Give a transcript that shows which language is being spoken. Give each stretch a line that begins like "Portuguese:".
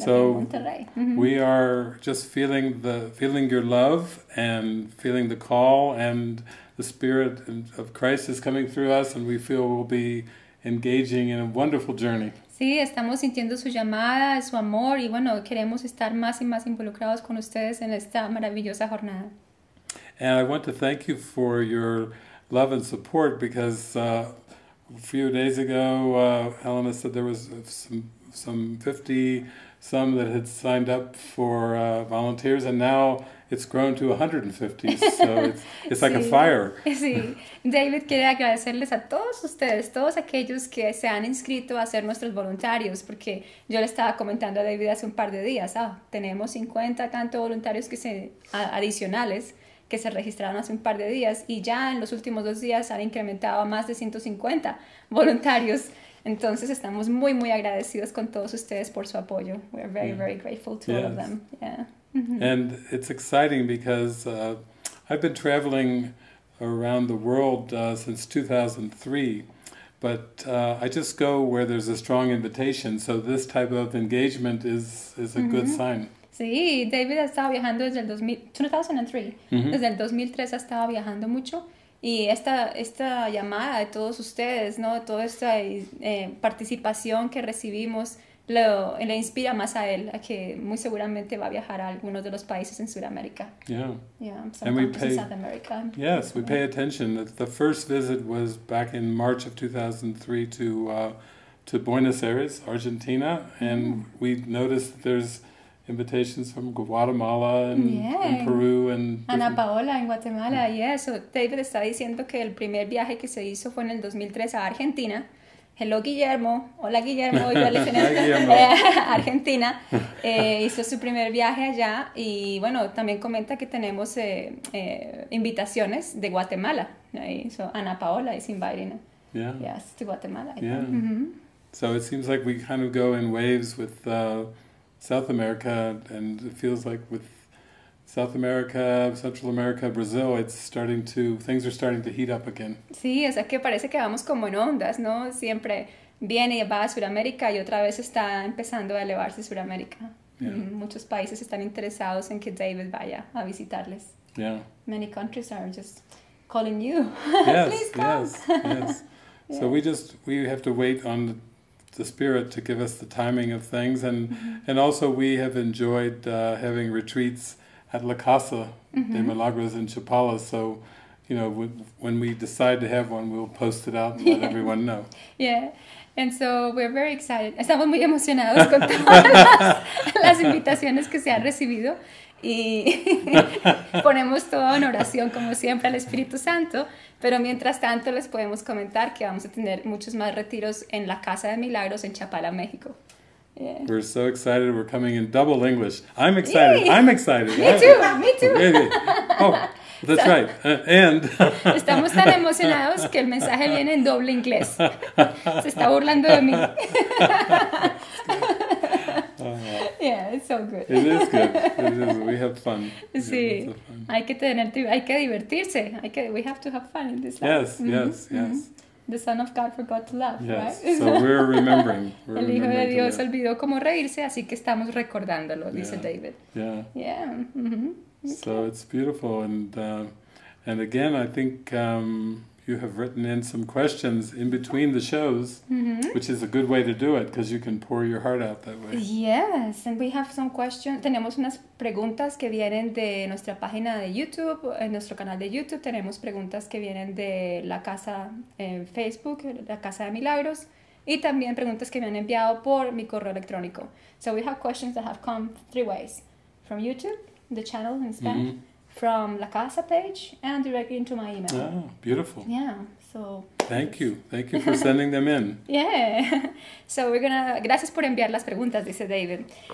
English: So, we are just feeling your love and feeling the call, and the Spirit of Christ is coming through us, and we feel we'll be engaging in a wonderful journey.
Spanish: Sí, estamos sintiendo su llamada, su amor, y bueno, queremos estar más y más involucrados con ustedes en esta maravillosa jornada.
English: And I want to thank you for your love and support, because a few days ago, Helena said there was some 50 some that had signed up for volunteers, and now it's grown to 150, so it's like
Spanish: sí,
English: a fire.
Spanish: Sí, David quiere agradecerles a todos ustedes, todos aquellos que se han inscrito a ser nuestros voluntarios, porque yo le estaba comentando a David hace un par de días, oh, tenemos 50 tanto voluntarios que se, adicionales que se registraron hace un par de días, y ya en los últimos dos días han incrementado a más de 150 voluntarios. Entonces estamos muy, muy agradecidos con todos ustedes por su apoyo.
English: We are very, very grateful to all of them. Yeah. And it's exciting because I've been traveling around the world since 2003, but I just go where there's a strong invitation, so this type of engagement is a good sign.
Spanish: Sí, David ha estado viajando desde el 2003. Mm-hmm. Desde el 2003 ha estado viajando mucho. Y esta llamada de todos ustedes, ¿no? Toda esta participación que recibimos le inspira más a él, a que muy seguramente va a viajar a algunos de los países en Sudamérica.
English: Yeah. Yeah, sometimes in South America. Yes, we pay attention. The first visit was back in March of 2003 to Buenos Aires, Argentina, and we noticed that there's invitations from Guatemala and Peru and
Spanish: Ana Paola en Guatemala.
English: Yeah, so
Spanish: David está diciendo que el primer viaje que se hizo fue en el 2003 a Argentina.
English: Hello, Guillermo.
Spanish: Hola, Guillermo.
English: Hi, Guillermo.
Spanish: Argentina. Hizo su primer viaje allá y, bueno, también comenta que tenemos invitaciones de Guatemala.
English: So Ana Paola is inviting us to Guatemala. So it seems like we kind of go in waves with South America, and it feels like with South America, Central America, Brazil, things are starting to heat up again.
Spanish: Sí, o sea que parece que vamos como en ondas, ¿no? Siempre viene y va a Sudamérica y otra vez está empezando a elevarse Sudamérica. Muchos países están interesados en que David vaya a visitarles.
English: Yeah. Many countries are just calling you. Yes, please come. Yes, yes. So we have to wait on the spirit to give us the timing of things, and also we have enjoyed having retreats at La Casa de Milagros in Chapala, so you know, when we decide to have one, we'll post it out and let everyone know. Yeah, and so we're very excited.
Spanish: Estamos muy emocionados con todas las invitaciones que se han recibido y ponemos todo en oración como siempre al Espíritu Santo, pero mientras tanto les podemos comentar que vamos a tener muchos más retiros en la Casa de Milagros en Chapala, México.
English: Yeah. We're so excited. We're coming in double English. I'm excited. Yay. I'm excited. Me too. Me too. Maybe. Oh, that's right. And
Spanish: estamos tan emocionados que el mensaje viene en doble inglés. Se está burlando de mí.
English: Yeah, it's so good. It is good. It is. We have fun.
Spanish: Sí. Hay que divertirse.
English: We have to have fun in this life. Yes, yes, yes. The Son of God forgot to laugh, yes, right? So we're remembering. We're
Spanish: el Hijo de Dios olvidó cómo reírse, así que estamos recordándolo, dice David.
English: Yeah. Yeah. Okay. So it's beautiful. And again, I think you have written in some questions in between the shows, which is a good way to do it, because you can pour your heart out that way. Yes, and we have some questions. Tenemos unas preguntas que vienen de nuestra página de YouTube, en nuestro canal de YouTube. Tenemos preguntas que vienen de la casa en Facebook, la Casa de Milagros, y también preguntas que me han enviado por mi correo electrónico. So we have questions that have come three ways. From YouTube, the channel in Spanish, from La Casa page, and directly into my email. Oh, beautiful. Yeah, so Thank you for sending them in. Yeah, so we're gonna
Spanish: gracias por enviar las preguntas, dice David.